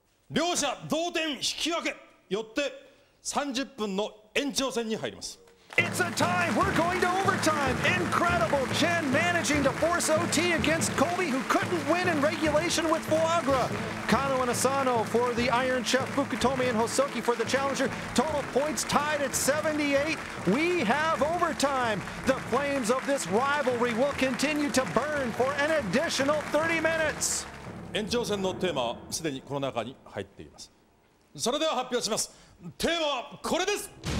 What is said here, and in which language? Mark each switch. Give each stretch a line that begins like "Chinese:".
Japanese: 両者同点引き分け。よって30分の延長戦に入ります。
English: It's a tie. We're going to overtime. Incredible. Chen managing to force OT against Colby, who couldn't win in regulation with foie gras. Kano and Asano for the Iron Chef, Fukutomi and Hosoki for the Challenger. Total points tied at 78. We have overtime. The flames of this rivalry will continue to burn for an additional 30 minutes.
Japanese: 延長戦のテーマはすでにこの中に入っています。それでは発表します。テーマはこれです。